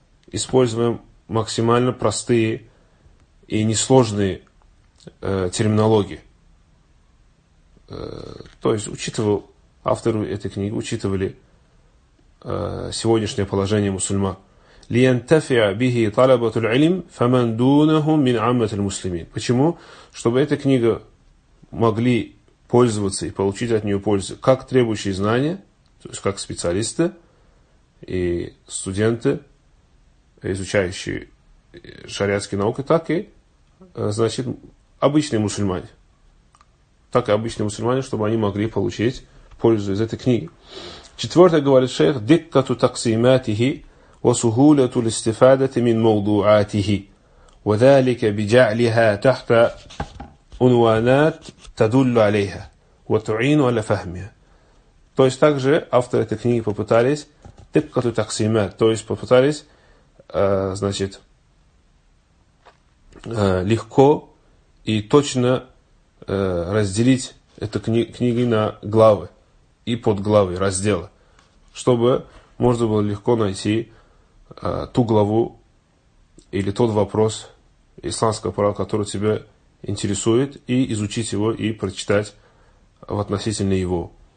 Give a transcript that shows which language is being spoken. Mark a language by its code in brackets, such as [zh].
[ru] Используем максимально простые и несложные терминологии. То есть, учитывал авторы этой книги, учитывали сегодняшнее положение мусульман. [ar] لينتفع به طلبة العلم فمن دونهم من عامة المسلمين. [ru] Почему? Чтобы эта книга могли пользоваться и получить от нее пользу как требующие знания, то есть как специалисты и студенты, изучающие шариатские науки, так и, значит, обычные мусульмане. Так и обычные мусульмане, чтобы они могли получить пользу из этой книги. Четвертое говорит шейх, [ar] диккату таксиматихи وَسُهُولَةُ الْاِسْتِفَادَةِ مِنْ مَوْضُوعَاتِهِ وَذَلِكَ بِجَعْلِهَا تَحْتَ عنوانات تدل عليها وتعين على فهمها. [ru] То есть также авторы этой книги попытались тыкату таксимат, то есть попытались, значит, легко и точно разделить эту книгу на главы и подглавы, разделы, чтобы можно было легко найти ту главу или тот вопрос исламского права, который тебя интересует, и изучить его, и прочитать в относительно его.